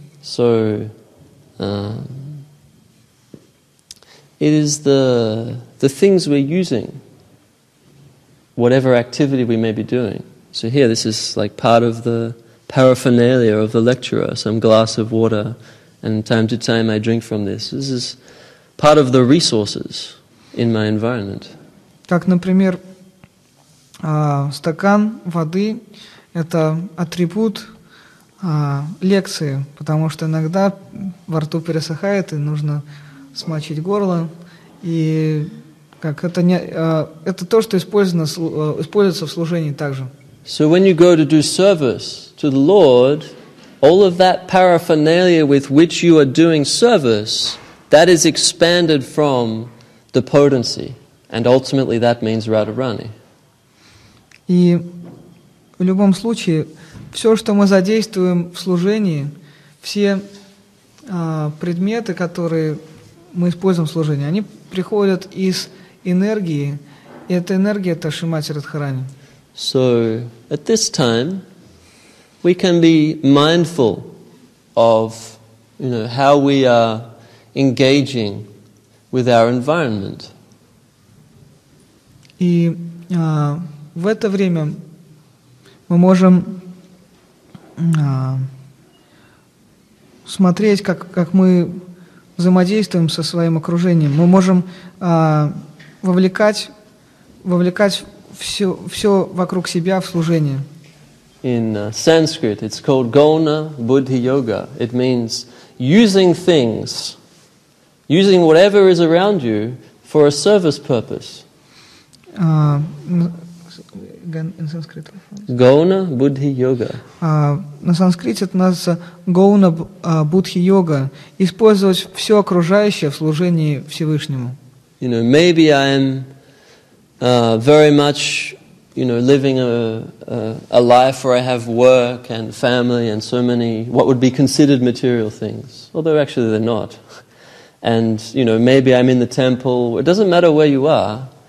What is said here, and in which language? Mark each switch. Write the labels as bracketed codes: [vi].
[en] So, it is the things we're using, whatever activity we may be doing. So here, this is like part of the paraphernalia of the lecturer, some glass of water, and time to time I drink from this. This is part of the resources in my environment. [ru] Так, например, стакан воды – это атрибут лекции, потому что иногда во рту пересыхает и нужно смочить горло. И как это не, это то, что использовано, используется в служении также. [en] So when you go to do service to the Lord, all of that paraphernalia with which you are doing service, that is expanded from the potency. And ultimately that means Radharani. [ru] И в любом случае, все, что мы задействуем в служении, все предметы, которые мы используем в служении, они приходят из энергии. И эта энергия – это Шримати Радхарани. [en] So, at this time, we can be mindful of, you know, how we are engaging with our environment. [ru] И в это время мы можем смотреть, как мы взаимодействуем со своим окружением. Мы можем вовлекать все вокруг себя в служение. [en] In Sanskrit, it's called Gauna Buddhi Yoga. It means using things, using whatever is around you for a service purpose. In Sanskrit. Gauna Buddhi Yoga. [ru] На санскрите это называется Gauna Buddhi Yoga. Использовать все окружающее в служении Всевышнему. [en] You know, maybe I am very much, you know, living a life where I have work and family and so many what would be considered material things, although actually they're not. And, you know, maybe I'm in the temple. It doesn't matter where you are.